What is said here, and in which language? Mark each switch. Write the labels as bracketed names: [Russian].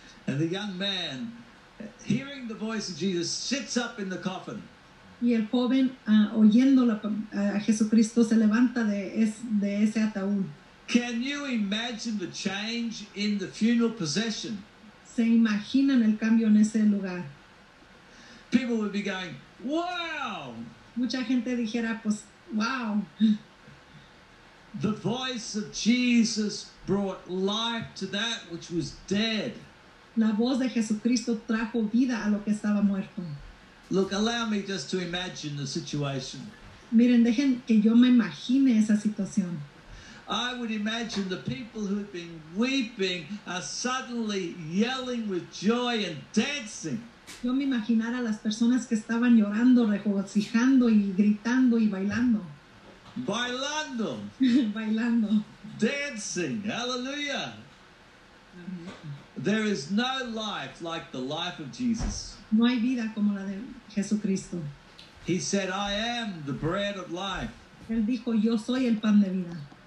[English] And the young man, hearing the voice of Jesus, sits up in the coffin. [Spanish] Y el joven, oyendo a Jesucristo, se levanta de ese ataúd. [English] Can you imagine the change in the funeral procession? [Spanish] ¿Se imaginan el cambio en ese lugar? [English] People would be going, wow! [Spanish] Mucha gente dijera, pues, wow! [English] The voice of Jesus brought life to that which was dead. [Spanish] La voz de Jesucristo trajo vida a lo que estaba muerto. [English] Look, allow me just to imagine the situation. [Spanish] Miren, dejen que yo me imagine esa situación. [English] I would imagine the people who have been weeping are suddenly yelling with joy and dancing. [Spanish] Yo me imaginara las personas que estaban llorando, regocijando y gritando y bailando. Bailando. Bailando. [English] Dancing. Hallelujah. There is no life like the life of Jesus. [Spanish] No hay vida como la de Jesucristo. [English] He said, I am the bread of life. [Spanish] Él dijo, yo soy el pan de vida.